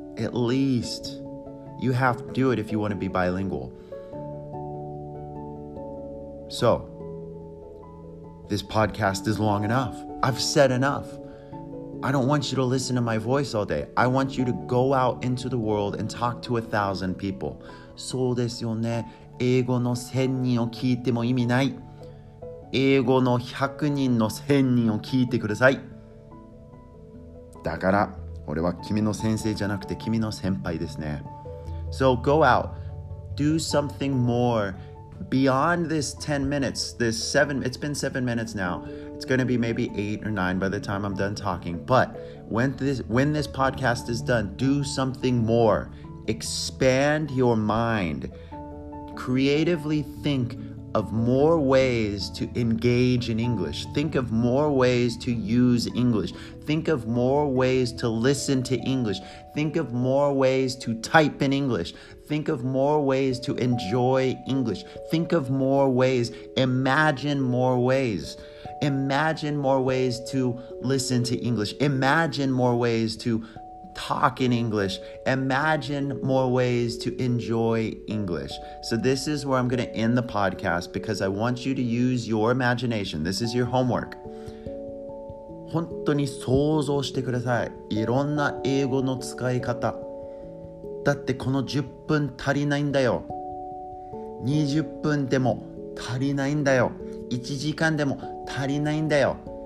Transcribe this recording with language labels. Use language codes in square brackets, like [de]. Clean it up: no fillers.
[en] At least. You have to do it if you want to be bilingual. So, this podcast is long enough. I've said enough. I don't want you to listen to my voice all day. I want you to go out into the world and talk to 1,000 people. [ja] そうですよね。英語の千人を聞いても意味ない。英語の百人の千人を聞いてください。だから、俺は君の先生じゃなくて君の先輩ですね。 [en] So go out. Do something more. Beyond this 10 minutes, it's been 7 minutes now. It's going to be maybe 8 or 9 by the time I'm done talking. But when this podcast is done, do something more. Expand your mind. Creatively think of more ways to engage in English. Think of more ways to use English. Think of more ways to listen to English. Think of more ways to type in English. Think of more ways to enjoy English. Think of more ways. Imagine more ways. Imagine more ways to listen to English. Imagine more ways to talk in English. Imagine more ways to enjoy English. So this is where I'm going to end the podcast because I want you to use your imagination. This is your homework. [ja] 本当に想像してください。いろんな英語の使い方。だってこの10分足りないんだよ。20分でも足りないんだよ。 1時間でも足りないんだよ。